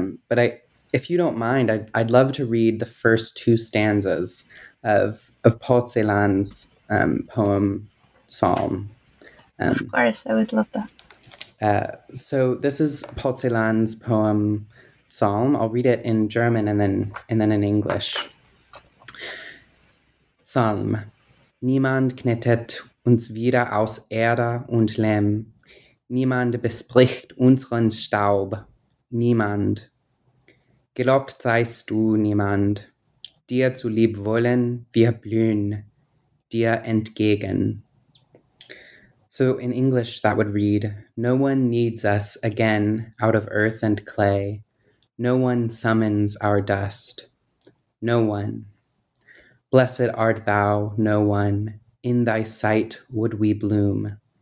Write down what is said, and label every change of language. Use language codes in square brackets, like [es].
[en] But I, if you don't mind, I'd love to read the first two stanzas of Paul Celan's poem, Psalm. Of course, I would love that. So this is Paul Celan's poem, Psalm. I'll read it in German and then in English. Psalm. [de] Niemand knetet uns wieder aus Erde und Lehm. Niemand bespricht unseren Staub. Niemand. Gelobt seist du, niemand. Dir zu lieb wollen, wir blühen dir entgegen. [en] So in English, that would read, no one needs us again out of earth and clay. No one summons our dust. No one. Blessed art thou, no one. In thy sight would we bloom.